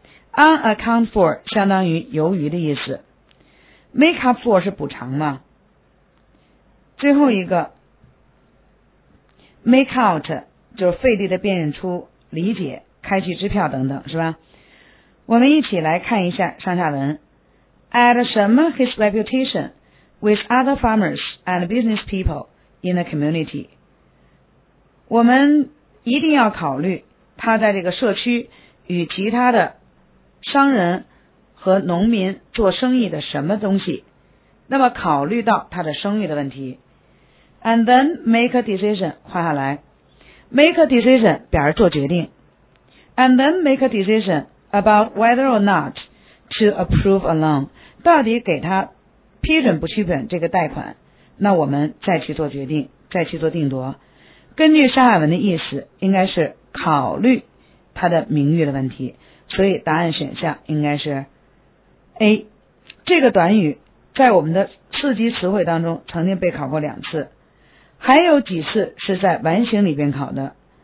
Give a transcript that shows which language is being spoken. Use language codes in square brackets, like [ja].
[en] On account for [zh] 相当于由于的意思， [en] make up for [zh] 是补偿嘛。最后一个 [en] make out [zh] 就是费力的辨认出、理解、开具支票等等，是吧？我们一起来看一下上下文。 [en] Add [zh] 什么 [en] his reputation with other farmers and business people in the community。 [zh] 我们一定要考虑他在这个社区与其他的商人和农民做生意的什么东西，那么考虑到他的声誉的问题。 [en] And then make a decision， [zh] 画下来。 [en] make a decision [zh] 表示做决定。 [en] and then make a decision about whether or not to approve a loan. [zh] 到底给他批准不批准这个贷款，那我们再去做决定，再去做定夺。根据上海文的意思，应该是考虑他的名誉的问题，所以答案选项应该是 A。这个短语在我们的四级词汇当中曾经被考过两次，还有几次是在完形里边考的。